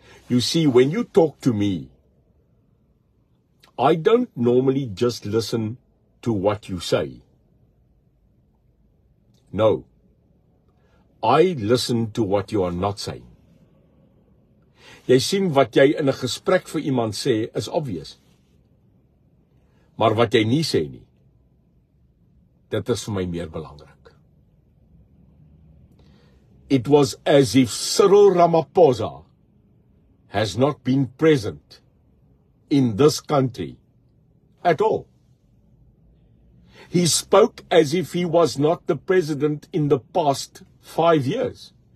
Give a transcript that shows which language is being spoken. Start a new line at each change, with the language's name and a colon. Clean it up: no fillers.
English: You see, when you talk to me, I don't normally just listen to what you say. No, I listen to what you are not saying.
Afrikaans: Jy sien wat jy in 'n gesprek vir iemand sê is obvious. Maar wat jy nie sê nie, dit is vir my meer belangrik.
English: It was as if Cyril Ramaphosa has not been present in this country at all. He spoke as if he was not the president in the past 5 years.